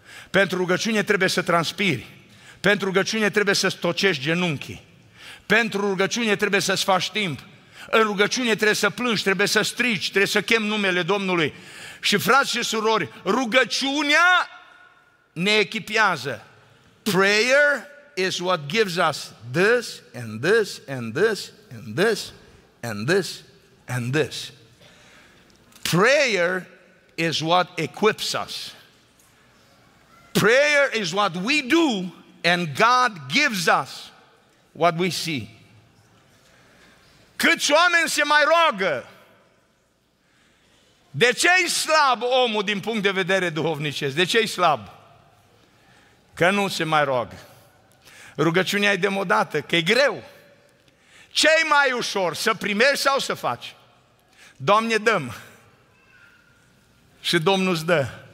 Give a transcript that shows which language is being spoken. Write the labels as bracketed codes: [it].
[ro] Pentru rugăciune trebuie să transpiri, pentru rugăciune trebuie să stocești genunchii, pentru rugăciune trebuie să-ți faci timp, în rugăciune trebuie să plângi, trebuie să strigi, trebuie să chem numele Domnului. Și frați și surori, rugăciunea ne echipează. [en] Prayer is what gives us this and this and this and this and this and this. Prayer is what equips us. Prayer is what we do and God gives us what we see. [ro] Câți oameni se mai roagă? De ce e slab omul din punct de vedere duhovnicesc? De ce e slab? Că nu se mai roagă. Rugăciunea e demodată, că e greu. Ce-i mai ușor, să primești sau să faci? Doamne, dăm. Și Domnul îți dă.